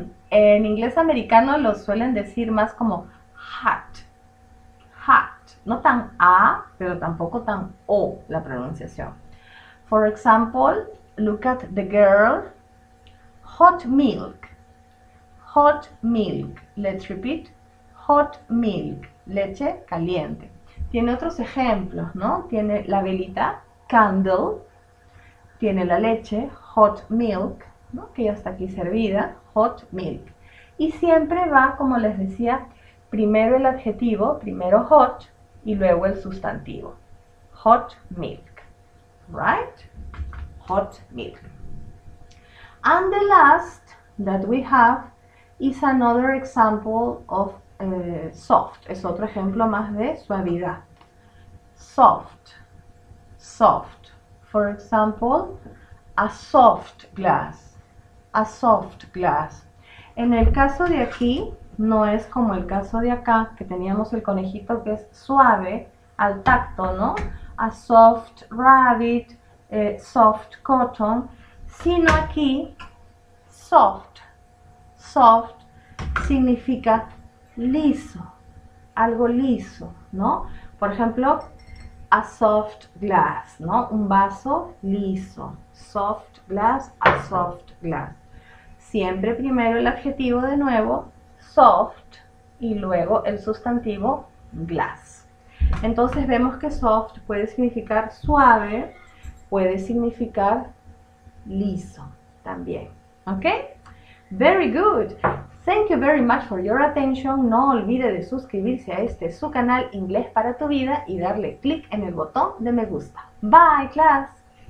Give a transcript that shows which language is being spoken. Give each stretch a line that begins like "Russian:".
Spanish: En inglés americano lo suelen decir más como hot. Hot. No tan A, pero tampoco tan O la pronunciación.
English: For example, look at the girl. Hot milk. Hot milk. Let's repeat. Hot milk.
Spanish: Leche caliente. Tiene otros ejemplos, ¿no? Tiene la velita, candle. Tiene la leche, hot milk, ¿no? Que ya está aquí servida, hot milk. Y siempre va, como les decía, primero el adjetivo, primero hot, y luego el sustantivo.
English: Hot milk. Right? Hot milk. And the last that we have is another example of soft.
Spanish: Es otro ejemplo más de suavidad.
English: Soft. Soft. For example, a soft glass. A soft glass.
Spanish: En el caso de aquí, no es como el caso de acá, que teníamos el conejito que es suave al tacto, ¿no?
English: A soft rabbit, soft cotton.
Spanish: Sino aquí, soft, soft significa liso, algo liso, ¿no? Por ejemplo,
English: a soft glass,
Spanish: ¿no? Un vaso liso,
English: soft glass, a soft glass.
Spanish: Siempre primero el adjetivo de nuevo, soft, y luego el sustantivo glass. Entonces vemos que soft puede significar suave, puede significar liso también.
English: Okay? Very good. Thank you very much for your attention.
Spanish: No olvide de suscribirse a su canal Inglés para tu vida y darle click en el botón de me gusta.
English: Bye, class.